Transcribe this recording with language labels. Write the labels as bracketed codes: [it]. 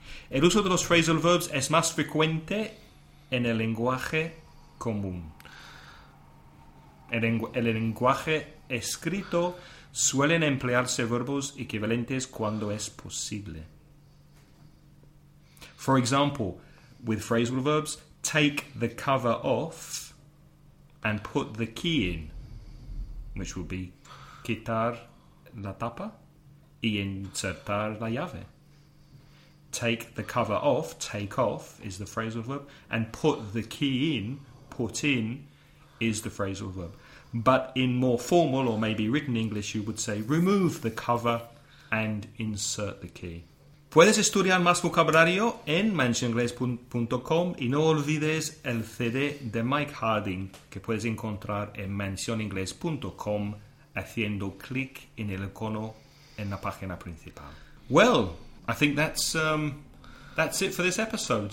[es] El uso de los phrasal verbs es más frecuente en el lenguaje común. El lenguaje escrito suelen emplearse verbos equivalentes cuando es posible. [en] For example, with phrasal verbs, take the cover off and put the key in, which would be [es] quitar la tapa y insertar la llave. [en] Take the cover off, take off is the phrasal verb, and put the key in, put in, is the phrasal verb. But in more formal or maybe written English, you would say remove the cover and insert the key. [es] Puedes estudiar más vocabulario en mansioningles.com y no olvides el CD de Mike Harding que puedes encontrar en mansioningles.com haciendo clic en el icono en la página principal. [en] Well, I think that's it for this episode.